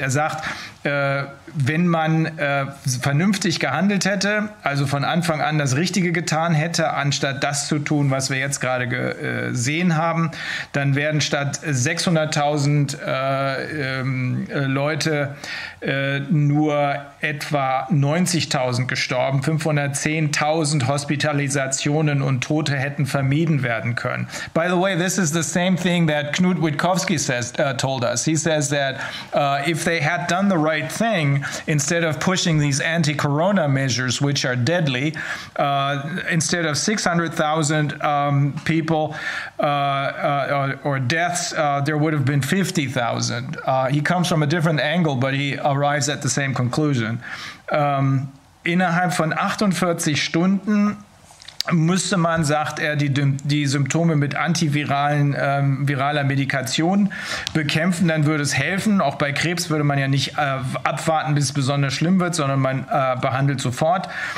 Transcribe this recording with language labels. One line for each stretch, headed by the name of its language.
German: Er sagt, wenn man vernünftig gehandelt hätte, also von Anfang an das Richtige getan hätte, anstatt das zu tun, was wir jetzt gerade gesehen haben, dann wären statt 600.000 Leute nur etwa 90.000 gestorben. 510.000 Hospitalisationen und Tote hätten vermieden werden können.
English: By the way, this is the same thing that Knut Witkowski says, told us. He says that if they had done the right thing, instead of pushing these anti-corona measures, which are deadly, instead of 600,000 people or deaths, there would have been 50,000. He comes from a different angle, but he arrives at the same conclusion.
German: Innerhalb von 48 Stunden müsste man, sagt er, die Symptome mit antiviralen viraler Medikation bekämpfen, dann würde es helfen. Auch bei Krebs würde man ja nicht abwarten, bis es besonders schlimm wird, sondern man behandelt sofort.